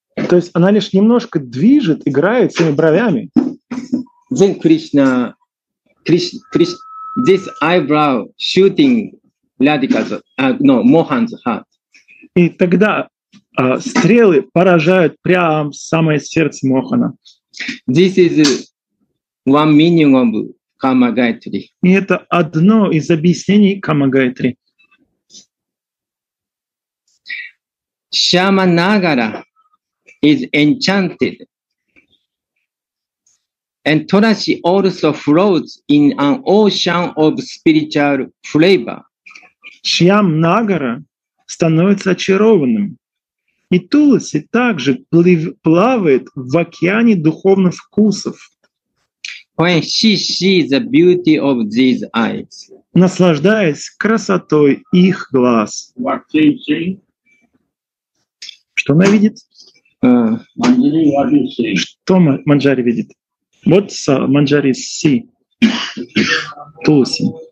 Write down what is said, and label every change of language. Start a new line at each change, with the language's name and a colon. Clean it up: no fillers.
Russian: То есть она лишь немножко движет, играет своими бровями.
English: Then Krishna, this eyebrow shooting Radhika's, Mohan's heart.
Russian: И тогда стрелы поражают прямо в самое сердце Мохана.
English: This is one meaning of Kama Gayatri.
Russian: И это одно из объяснений Kama Gayatri.
English: Shyama Nagara is enchanted. And Tulasi also floats in an ocean of spiritual flavor.
Russian: Шьям Нагара становится очарованным. И Туласи также плавает в океане духовных вкусов.
English: When she sees the beauty of these eyes.
Russian: Наслаждаясь красотой их глаз.
English: What she see?
Russian: Что она видит?
English: Манджари, what do you see?
Russian: Что Манджари видит?
English: What Manjari see?
Russian: Tulsi.